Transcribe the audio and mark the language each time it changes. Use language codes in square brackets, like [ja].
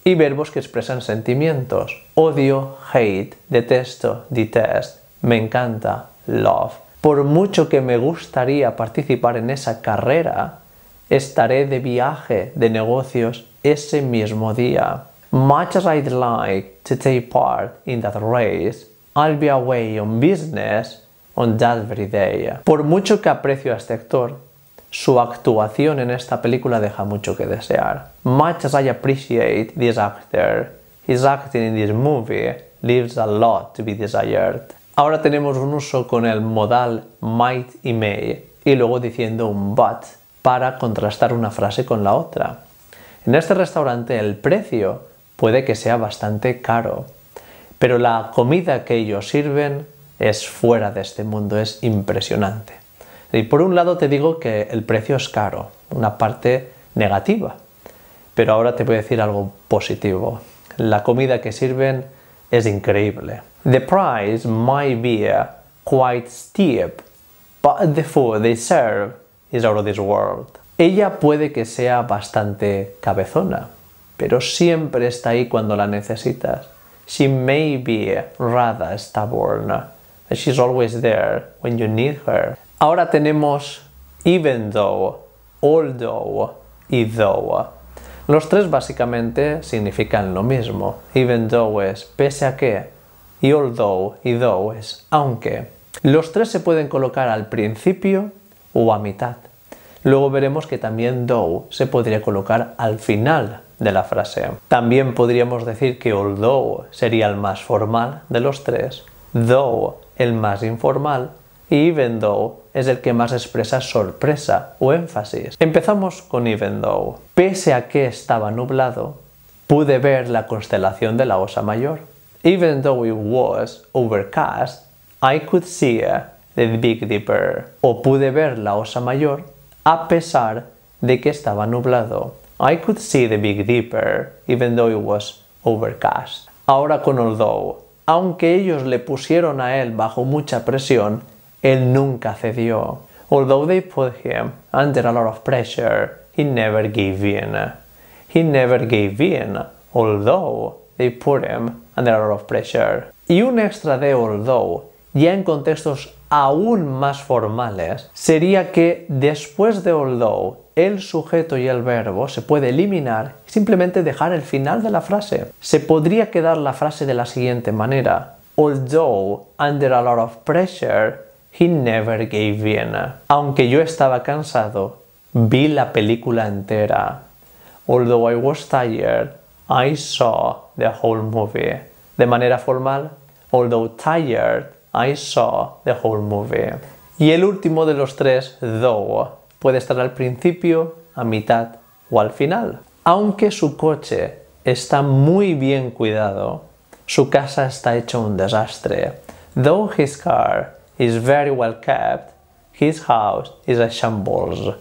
[es] Y verbos que expresan sentimientos. Odio, hate, detesto, detest, me encanta, love. Por mucho que me gustaría participar en esa carrera, estaré de viaje, de negocios, ese mismo día. [en] Much as I'd like to take part in that race, I'll be away on business on that very day. [es] Por mucho que aprecio a este actor, su actuación en esta película deja mucho que desear. [en] Much as I appreciate this actor, his acting in this movie leaves a lot to be desired. [es] Ahora tenemos un uso con el modal might y may, y luego diciendo un but, para contrastar una frase con la otra. En este restaurante el precio puede que sea bastante caro, pero la comida que ellos sirven es fuera de este mundo, es impresionante. Y por un lado te digo que el precio es caro, una parte negativa, pero ahora te voy a decir algo positivo. La comida que sirven es increíble. [en] The price might be quite steep, but the food they serve is out of this world. [es] Ella puede que sea bastante cabezona, pero siempre está ahí cuando la necesitas. [en] She may be rather stubborn, but she's always there when you need her. [es] Ahora tenemos even though, although y though. Los tres básicamente significan lo mismo. Even though es pese a que, y although y though es aunque. Los tres se pueden colocar al principio o a mitad. Luego veremos que también though se podría colocar al final de la frase. También podríamos decir que although sería el más formal de los tres, though el más informal, y even though es el que más expresa sorpresa o énfasis. Empezamos con even though. Pese a que estaba nublado, pude ver la constelación de la Osa Mayor. [en] Even though it was overcast, I could see the Big Dipper. [es] O pude ver la Osa Mayor a pesar de que estaba nublado. [en] I could see the Big Dipper even though it was overcast. [es] Ahora con although. Aunque ellos le pusieron a él bajo mucha presión, él nunca cedió. [en] Although they put him under a lot of pressure, he never gave in. He never gave in, although they put him under a lot of pressure. [es] Y un extra de although, ya en contextos aún más formales, sería que después de although, el sujeto y el verbo se puede eliminar y simplemente dejar el final de la frase. Se podría quedar la frase de la siguiente manera. [en] Although under a lot of pressure, he never gave in. [es] Aunque yo estaba cansado, vi la película entera. [en] Although I was tired, I saw the whole movie. [es] De manera formal, [en] although tired, I saw the whole movie. [es] Y el último de los tres, though, puede estar al principio, a mitad o al final. Aunque su coche está muy bien cuidado, su casa está hecha un desastre. [en] Though his car is very well kept, his house is a shambles.